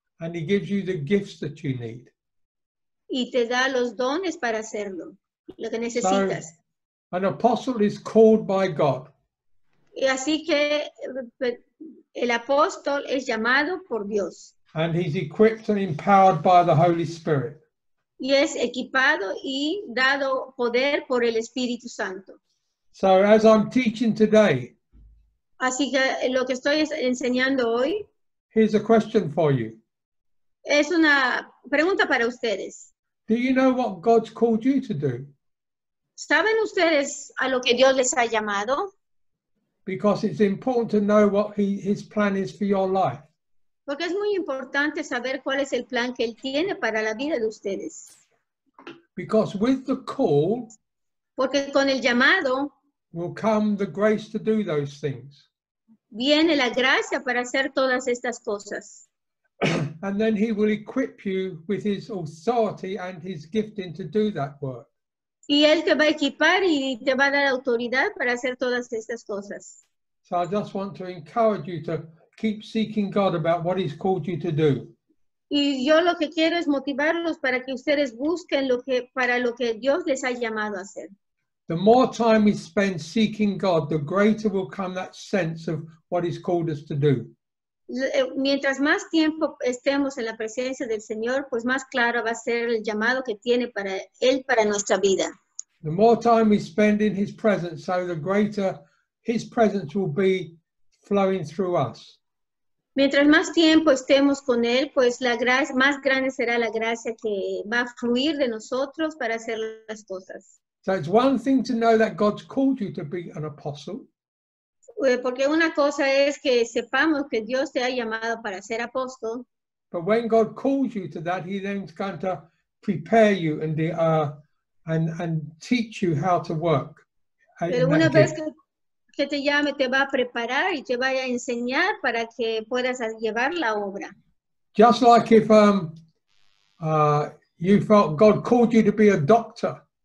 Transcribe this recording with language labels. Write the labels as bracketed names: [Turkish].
[English] And He gives you the gifts that you need. [Spanish] Y te da los dones para hacerlo, lo que necesitas. [English] So, an apostle is called by God. [Spanish] Y así que el apóstol es llamado por Dios. [English] And he's equipped and empowered by the Holy Spirit. [Spanish] Y es equipado y dado poder por el Espíritu Santo. [English] So as I'm teaching today, [Spanish] así que lo que estoy enseñando hoy, [English] here's a question for you. [Spanish] Es una pregunta para ustedes. [English] Do you know what God's called you to do? [Spanish] ¿Saben ustedes a lo que Dios les ha llamado? [English] Because it's important to know what his plan is for your life. [Spanish] Porque es muy importante saber cuál es el plan que Él tiene para la vida de ustedes. [English] Because with the call, [Spanish] porque con el llamado, [English] will come the grace to do those things. [Spanish] Viene la gracia para hacer todas estas cosas. [English] And then He will equip you with His authority and His gifting to do that work. [Spanish] Y Él te va a equipar y te va a dar autoridad para hacer todas estas cosas. [English] So I just want to encourage you to keep seeking God about what He's called you to do. [Spanish] Y yo lo que quiero es motivarlos para que ustedes busquen lo que, para lo que Dios les ha llamado a hacer. [English] The more time we spend seeking God, the greater will come that sense of what He's called us to do. [Spanish] Mientras más tiempo estemos en la presencia del Señor, pues más claro va a ser el llamado que tiene para Él para nuestra vida. [English] The more time we spend in His presence, so the greater His presence will be flowing through us. [Spanish] Mientras más tiempo estemos con Él, pues la gracia, más grande será la gracia que va a fluir de nosotros para hacer las cosas. [English] So it's one thing to know that God's called you to be an apostle. [Spanish] Porque una cosa es que sepamos que Dios te ha llamado para ser apóstol. [English] But when God calls you to that, He then is going to prepare you and teach you how to work [Spanish] Pero una vez que te llame, te va a preparar y te va a enseñar para que puedas llevar la obra. [English] Just like if you felt God called you to be a doctor.